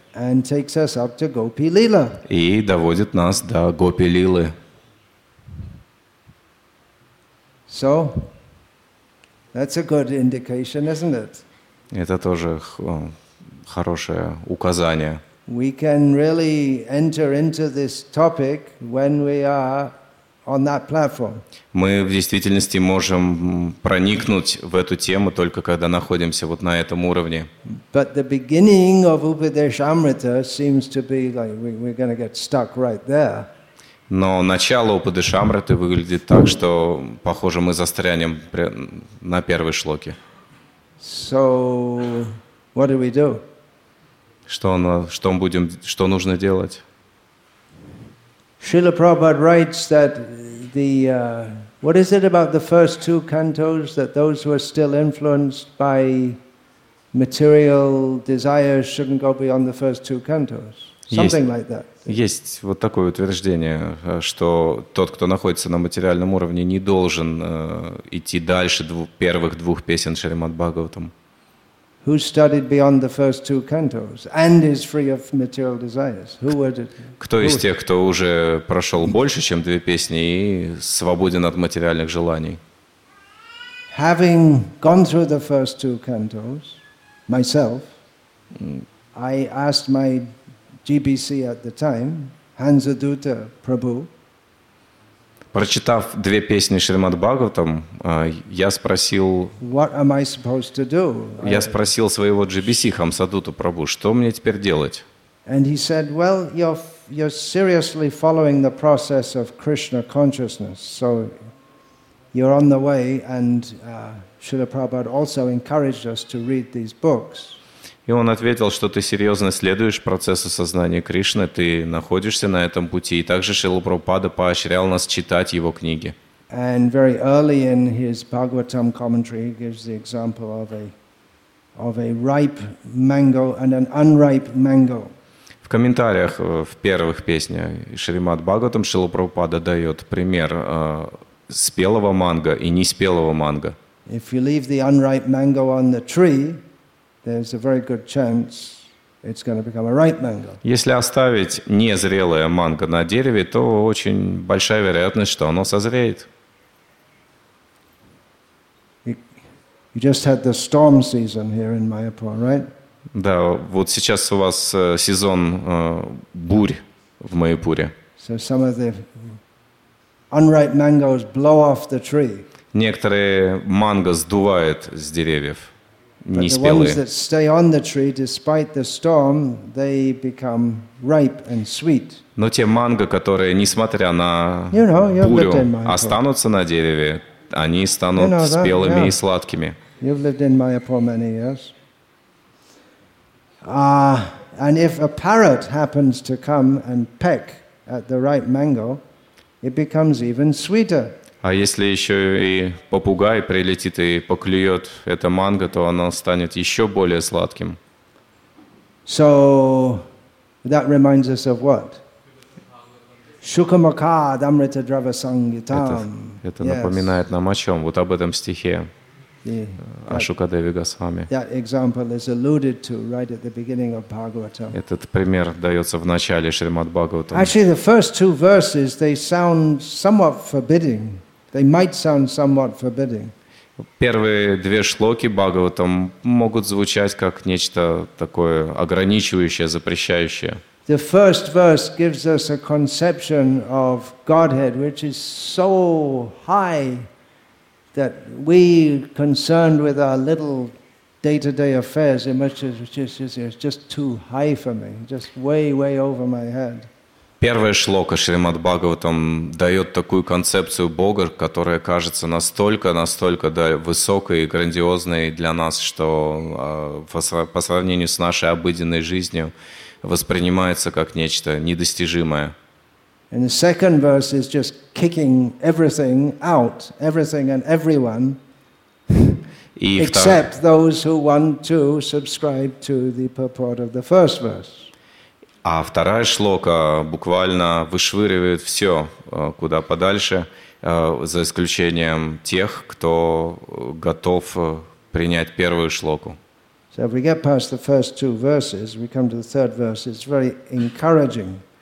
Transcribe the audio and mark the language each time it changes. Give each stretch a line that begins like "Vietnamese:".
English: And takes us up to Gopi Lila.
Russian: И доводит нас до Гопи Лилы.
English: So, that's a good indication, isn't it?
Russian: Это тоже хорошее указание.
English: We can really enter into this topic when we are on that platform.
Russian: Мы в действительности можем проникнуть в эту тему только когда находимся вот на этом уровне.
English: But the beginning of Upadeshamrita seems to be like we're going to get stuck right there.
Russian: Но начало Упадешамриты выглядит так, что похоже мы застрянем на первой шлоке.
English: So what do we do?
Russian: Что нужно делать?
English: Шрила Прабхупада writes that the what is it about the first two cantos that those who are still influenced by material desires shouldn't go beyond the first two cantos? Something like that.
Russian: Есть вот такое утверждение, что тот, кто находится на материальном уровне, не должен идти дальше первых двух песен Шримад Бхагаватам.
English: Who studied beyond the first two cantos and is free of material desires? Who would it?
Russian: Кто из тех, кто уже прошел больше, чем две песни, и свободен от материальных желаний?
English: Having gone through the first two cantos myself, I asked my GBC at the time, Hansadutta Prabhu.
Russian: Прочитав две песни Шримад Бхагаватам, я спросил.
English: What am I supposed to do?
Russian: Я спросил своего GBC Хамсадуту Прабу, что мне теперь делать?
English: And he said, well, you're seriously following the process of Krishna consciousness, so you're on the way. And Srila Prabhupada also encouraged us to read these books.
Russian: И он ответил, что ты серьезно следуешь процессу сознания Кришны, ты находишься на этом пути. И также Шрила Прабхупада поощрял нас читать его книги.
English: And very early in his Bhagavatam commentary, he gives the example of a ripe mango and an unripe mango.
Russian: В комментариях в первых песнях Шримад Бхагаватам Шрила Прабхупада дает пример спелого манго и неспелого манго.
English: If you leave the unripe mango on the tree, there's a very good chance it's going to become a ripe mango.
Russian: Если оставить незрелое манго на дереве, то очень большая вероятность, что оно созреет.
English: You just had the storm season here in Mayapur, right?
Russian: Да, вот сейчас у вас сезон бурь в Майяпуре.
English: So some of the unripe mangoes blow off the tree.
Russian: Некоторые манго сдувает с деревьев.
English: But the ones that stay on the tree despite the storm, they become ripe and sweet.
Russian: Но те манго, которые, несмотря на бурю, останутся на дереве, они станут спелыми и сладкими.
English: You've lived in Mayapur many years. And if a parrot happens to come and peck at the ripe mango, it becomes even sweeter.
Russian: А если еще и попугай прилетит и поклюет это манго, то оно станет еще более сладким.
English: So that reminds us of what?
Sanskrit: Shukamukha Damrita Drava Sangitam.
Russian: Это напоминает нам о чем? Вот об этом стихе. Ашукадеви Госвами.
English: That example is alluded to right at the beginning of Bhagavatam.
Russian: Этот пример дается в начале Шримад Бхагаватам.
English: Actually, the first two verses they sound somewhat forbidding. They might sound somewhat forbidding.
Russian: Первые две шлоки Бхагаватам могут звучать как нечто такое ограничивающее, запрещающее.
English: The first verse gives us a conception of Godhead, which is so high that we concerned with our little day-to-day affairs, it's just too high for me, just way, way over my head.
Russian: Первая шлока Шримад Бхагаватам дает такую концепцию Бога, которая кажется настолько да, высокой и грандиозной для нас, что по сравнению с нашей обыденной жизнью воспринимается как нечто недостижимое.
English: And the second verse is just kicking everything out, everything and everyone. Except those who want to subscribe to the purport of the first verse.
Russian: А вторая шлока буквально вышвыривает все куда подальше, за исключением тех, кто готов принять первую шлоку.
English: So if we get past the first two verses, we come to the third verse, it's very encouraging.